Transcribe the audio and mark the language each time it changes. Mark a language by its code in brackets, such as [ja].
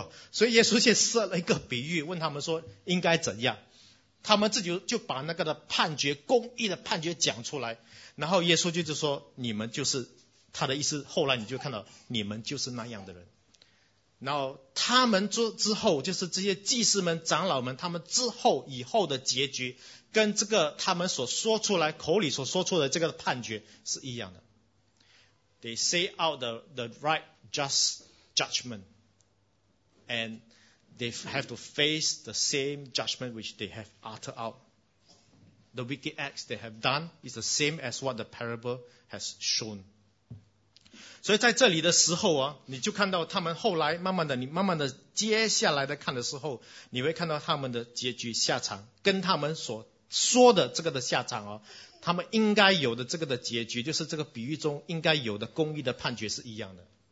[zh] 所以耶稣先设了一个比喻问他们说应该怎样，他们自己就把那个的判决，公义的判决讲出来，然后耶稣就说，你们就是他的意思，后来你就看到你们就是那样的人。然后他们之后，就是这些祭司们长老们，他们之后以后的结局跟这个他们所说出来，口里所说出的这个判决是一样的。 [en] They say out the right just judgment andThey have to face the same judgment which they have uttered out. The wicked acts they have done is the same as what the parable has shown. [zh] 所以在这里的时候啊，你就看到他们后来慢慢的，你慢慢的接下来的看的时候，你会看到他们的结局下场，跟他们所说的这个的下场啊，他们应该有的这个的结局，就是这个比喻中应该有的公义的判决是一样的。